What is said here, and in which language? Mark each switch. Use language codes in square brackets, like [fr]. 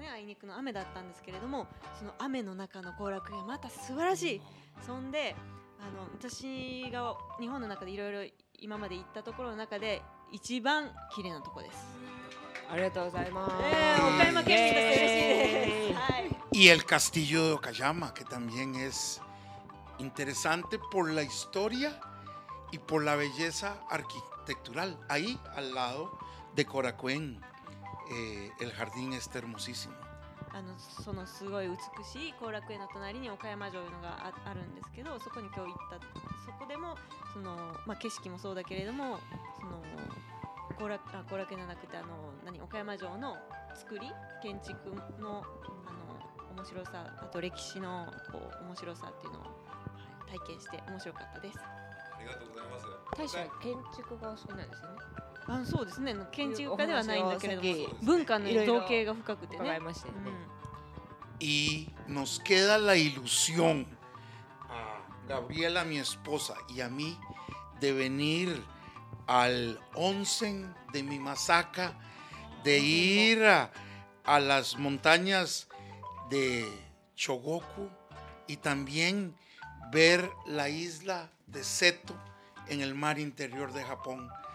[ja] Hoy, 今日雨だったんですけれども、その雨の中の後楽園また素晴らしい。そんで私が日本の中でいろいろ今まで行ったところの中で一番綺麗なところです。ありがとうございます。岡山県民として嬉しいです。 [es] Y el castillo de Okayama, que también es interesante por la historia y por la belleza arquitectural. Ahí, al lado de Coracuén. El jardín está hermosísimo. [ja] そのすごい美しい後楽園の隣に岡山城が あるんですけど、そこに今日行った、そこでもその、まあ、景色もそうだけれども、その後楽園じゃなくて何岡山城の作り建築 の面白さ、あと歴史のこう面白さっていうのを体験して面白かったです。ありがとうございます。大使は建築が好きなんですね。そうですね、建築家ではないんだけれども、文化の造形が深くてね。伺いまして、うん。 [es] Y nos queda la ilusión a Gabriela, mi esposa, y a mí de venir al onsen de Mimasaka, de ir a las montañas de Chogoku y también ver la isla de Seto en el mar interior de Japón.